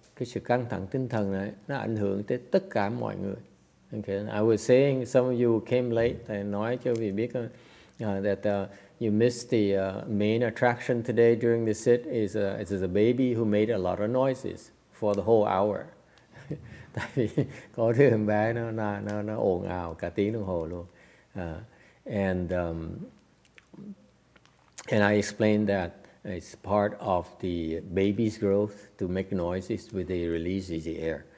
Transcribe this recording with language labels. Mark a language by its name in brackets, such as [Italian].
[Vietnamese] cái sự căng thẳng tinh thần này nó ảnh hưởng tới tất cả mọi người. [English] Okay, I was saying some of you came late. [Vietnamese] Tại nói cho vị biết [English] that you missed the main attraction today during the sit is a baby who made a lot of noises for the whole hour. [Vietnamese] Tại vì có đứa em bé nó ồn ào cả tiếng đồng hồ luôn. [English] And I explained that it's part of the baby's growth to make noises when they release the air.